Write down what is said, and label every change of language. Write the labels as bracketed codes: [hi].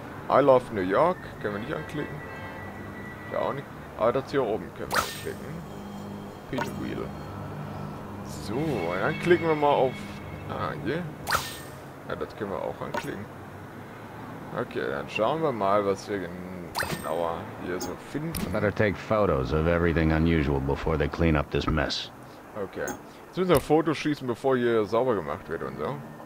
[en] I love New York. [de] Können wir nicht anklicken. Ja, auch nicht. Ah, das hier oben können wir anklicken. Pinwheel. So, dann klicken wir mal auf... Ah, hier. Ja, das können wir auch anklicken. Okay, dann schauen wir mal, was wir genauer hier so finden. [en] Better take photos of everything unusual before they clean up this mess. Okay. [de] Jetzt müssen wir Fotos schießen, bevor hier sauber gemacht wird und so.